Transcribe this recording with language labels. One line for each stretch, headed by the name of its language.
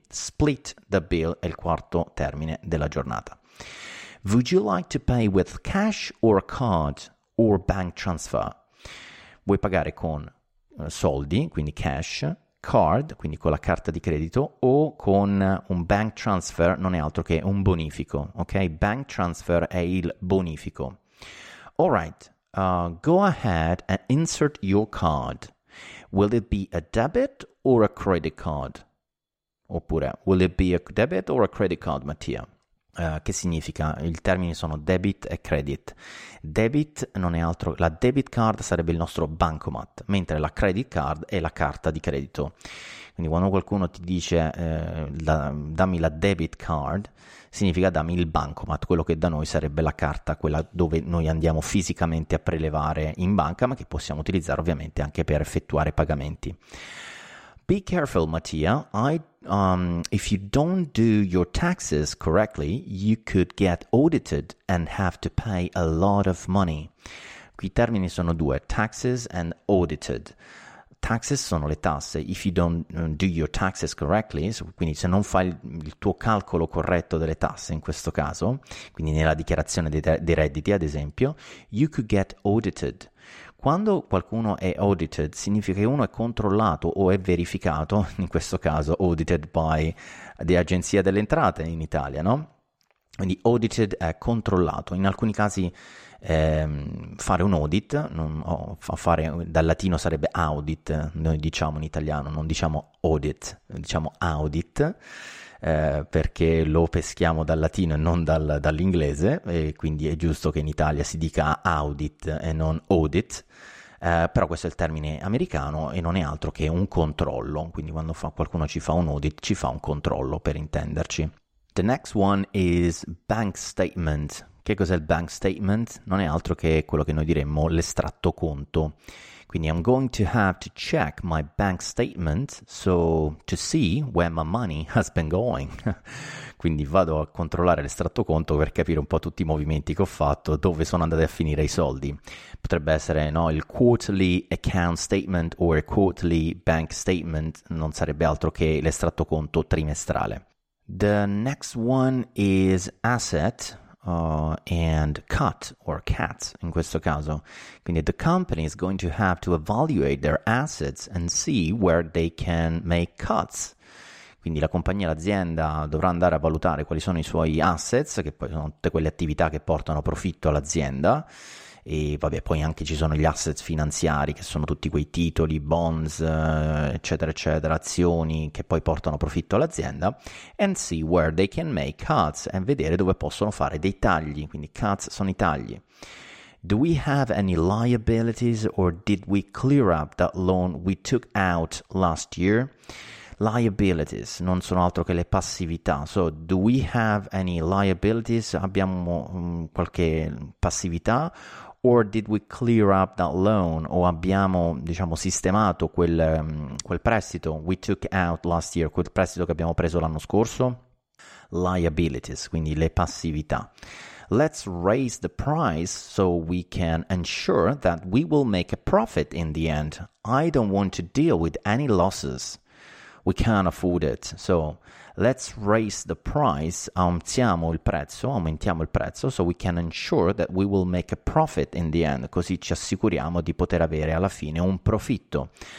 Italian: Split the bill è il quarto termine della giornata.
English: Would you like to pay with cash or a card or bank transfer?
Italian: Vuoi pagare con soldi, quindi cash, card, quindi con la carta di credito, o con un bank transfer, non è altro che un bonifico, ok? Bank transfer è il bonifico.
English: All right, go ahead and insert your card. Will it be a debit or a credit card?
Italian: Oppure,
English: will it be a debit or a credit card, Mattia?
Italian: Che significa? Il termine sono debit e credit. Debit non è altro, la debit card sarebbe il nostro bancomat, mentre la credit card è la carta di credito. Quindi quando qualcuno ti dice dammi la debit card, significa dammi il bancomat, quello che da noi sarebbe la carta, quella dove noi andiamo fisicamente a prelevare in banca, ma che possiamo utilizzare ovviamente anche per effettuare pagamenti.
English: Be careful, Mattia. If you don't do your taxes correctly, you could get audited and have to pay a lot of money.
Italian: Qui i termini sono due, taxes and audited. Taxes sono le tasse.
English: If you don't do your taxes correctly,
Italian: quindi se non fai il tuo calcolo corretto delle tasse in questo caso, quindi nella dichiarazione dei redditi ad esempio,
English: you could get audited.
Italian: Quando qualcuno è audited, significa che uno è controllato o è verificato, in questo caso
English: audited by the
Italian: Agenzia delle Entrate in Italia, no? Quindi audited è controllato. In alcuni casi fare un audit, fare dal latino sarebbe audit, noi diciamo in italiano, non diciamo audit, diciamo audit, perché lo peschiamo dal latino e non dall'inglese, e quindi è giusto che in Italia si dica audit e non audit, però questo è il termine americano e non è altro che un controllo, quindi quando qualcuno ci fa un audit ci fa un controllo, per intenderci.
English: The next one is bank statement.
Italian: Che cos'è il bank statement? Non è altro che quello che noi diremmo l'estratto conto. Quindi
English: I'm going to have to check my bank statement so to see where my money has been going.
Italian: Quindi vado a controllare l'estratto conto per capire un po' tutti i movimenti che ho fatto, dove sono andati a finire i soldi. Potrebbe essere, no, il quarterly account statement o il quarterly bank statement, non sarebbe altro che l'estratto conto trimestrale.
English: The next one is asset and cut or cat
Italian: in questo caso. Quindi
English: the company is going to have to evaluate their assets and see where they can make cuts.
Italian: Quindi la compagnia, l'azienda dovrà andare a valutare quali sono i suoi assets, che poi sono tutte quelle attività che portano profitto all'azienda. E vabbè, poi anche ci sono gli assets finanziari, che sono tutti quei titoli, bonds, eccetera eccetera, azioni che poi portano profitto all'azienda,
English: and see where they can make cuts,
Italian: e vedere dove possono fare dei tagli, quindi cuts sono i tagli.
English: Do we have any liabilities or did we clear up that loan we took out last year?
Italian: Liabilities non sono altro che le passività.
English: So, do we have any liabilities?
Italian: Abbiamo qualche passività?
English: Or did we clear up that loan?
Italian: O abbiamo, diciamo, sistemato quel prestito
English: we took out last year,
Italian: quel prestito che abbiamo preso l'anno scorso? Liabilities, quindi le passività.
English: Let's raise the price so we can ensure that we will make a profit in the end. I don't want to deal with any losses. We can't afford it. So, let's raise the price,
Italian: aumentiamo il prezzo,
English: so we can ensure that we will make a profit in the end,
Italian: così ci assicuriamo di poter avere alla fine un profitto.